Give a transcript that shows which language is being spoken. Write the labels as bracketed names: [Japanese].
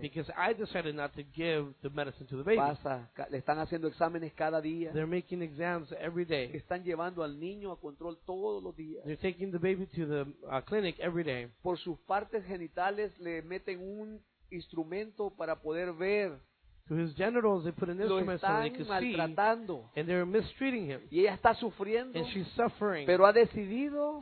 [English] Because I decided not to give the medicine to the baby. [Spanish] Pasa, le están haciendo exámenes cada día. [English] They're making exams every day. [Spanish] Están llevando al niño a control todos los días. [English] They're taking the baby to the clinic every day. [Spanish] Por sus partes genitales le meten un instrumento para poder ver. [English] To his genitals, they put an instrument so they could [Spanish] maltratando. [English] See. And they're mistreating him. [Spanish] Y ella está sufriendo. [English] And she's suffering. [Spanish] Pero ha decidido